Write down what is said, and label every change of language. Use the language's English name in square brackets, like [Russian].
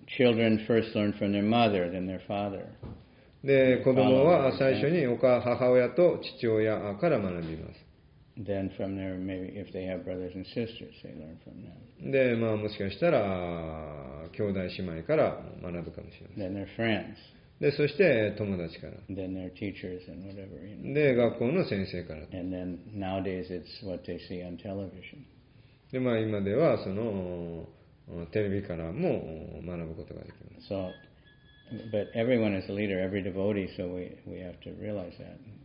[English] Children first learn from their mother, then their father. [Japanese] で、子供は最初に母親と父親から学びます。 [English] Then from there, maybe if they have brothers and sisters, they learn from them. [Japanese] で、まあもしかしたら兄弟姉妹から学ぶかもしれません。 [English] Then their friends. [Japanese] で、そして友達から。 [English] Then their teachers and whatever. [Japanese] で、学校の先生から。 [English] And then nowadays it's what they see on television. [Japanese] でまあ、今ではそのテレビからも学ぶことができます。 [English] So, but everyone is a leader, every devotee, so we have to realize that.